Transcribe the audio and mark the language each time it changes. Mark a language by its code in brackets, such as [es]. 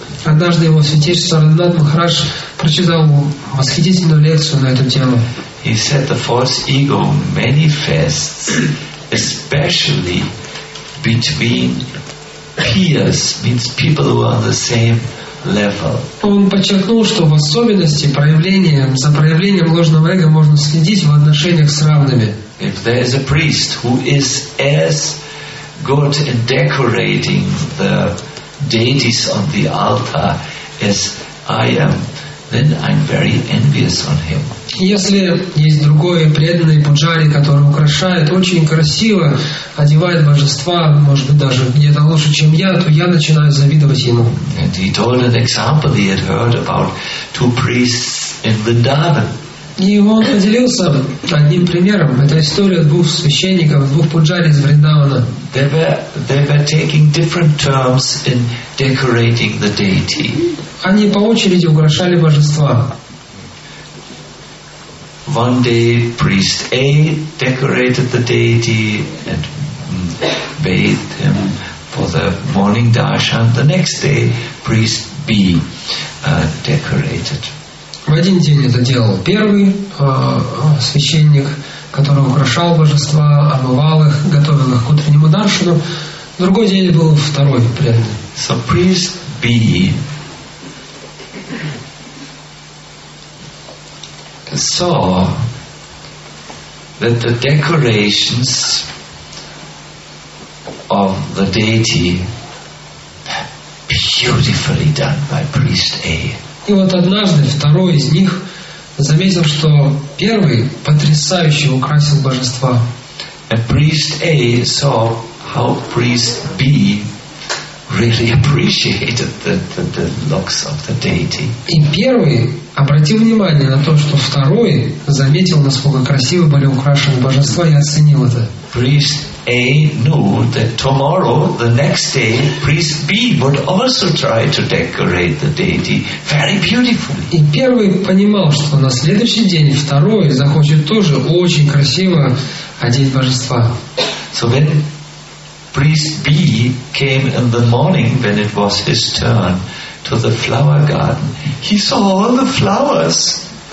[ru] Однажды его святейшество Радханат Махарадж прочитал восхитительную лекцию на эту тему. [en] He said the false ego manifests especially between peers, means people who are on the same level. [ru] Он подчеркнул, что в особенности проявлением ложного эго можно следить в отношениях с равными. [en] If there is a priest who is as good in decorating the deities on the altar as I am, then I'm very envious on him. [ru] Если есть другой преданный пуджари, который украшает очень красиво, одевает божества, может быть, даже где-то лучше, чем я, то я начинаю завидовать ему. [en] And he told an example he had heard about two priests in Vrindavan. [ru] И он поделился одним примером. Это история двух священников, двух пуджари из Вриндавана. [en] They were taking different terms in decorating the deity. [ru] Они по очереди украшали божества. [en] One day priest A decorated the deity and bathed him for the morning darshan. The next day priest B decorated. [ru] В один день это делал первый священник, который украшал божества, омывал их, готовил их к утреннему даршану. Другой день был второй преданный. [en] So priest B saw that the decorations of the deity beautifully done by priest A. [ru] И вот однажды второй из них заметил, что первый потрясающе украсил божества. [en] A priest A saw how priest B really appreciated the looks of the deity. [ru] И первый обратил внимание на то, что второй заметил, насколько красиво были украшены божества, и оценил это. [en] Priest A knew that tomorrow, the next day, priest B would also try to decorate the deity very beautifully. [ru] И первый понимал, что на следующий день второй захочет тоже очень красиво одеть божества. [en] So when priest B came in the morning, when it was his turn to the flower garden, he saw all the flowers.